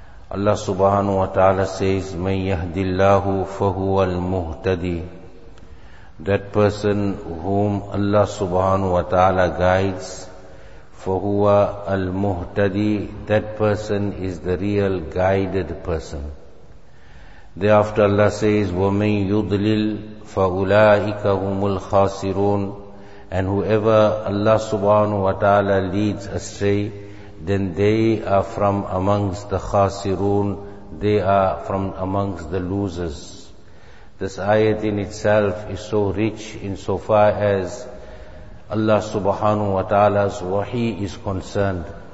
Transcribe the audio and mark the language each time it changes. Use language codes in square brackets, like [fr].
[ar] Allah subhanahu wa ta'ala says, مَنْ يَهْدِ اللَّهُ فَهُوَ الْمُهْتَدِي. [en] That person whom Allah subhanahu wa ta'ala guides, [ar] فَهُوَ الْمُهْتَدِي, [en] that person is the real guided person. Thereafter Allah says, [ar] وَمَنْ يُضْلِلْ فَأُولَٰئِكَ هُمُ الْخَاسِرُونَ. [en] And whoever Allah subhanahu wa ta'ala leads astray, then they are from amongst the khasirun, they are from amongst the losers. This ayat in itself is so rich in so far as Allah subhanahu wa ta'ala's wahi is concerned.